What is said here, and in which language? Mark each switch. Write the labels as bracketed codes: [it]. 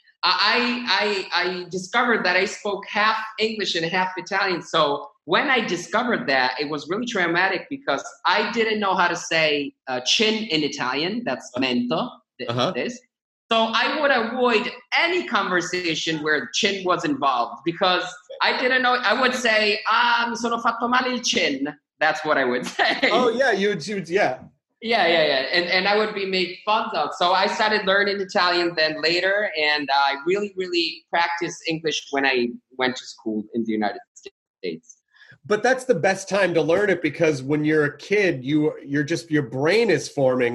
[en] I discovered that I spoke half English and half Italian. So when I discovered that, it was really traumatic because I didn't know how to say chin in Italian. That's mento. So I would avoid any conversation where chin was involved because I didn't know. [it] I would say, sono fatto male il chin. [en] That's what I would say. Oh, yeah. You'd, yeah. Yeah, yeah, yeah. And I would be made fun of. So I started learning Italian then later. And I really, really practiced English when I went to school in the United States. But that's the best time to learn it because when you're a kid, you're just, your brain is forming.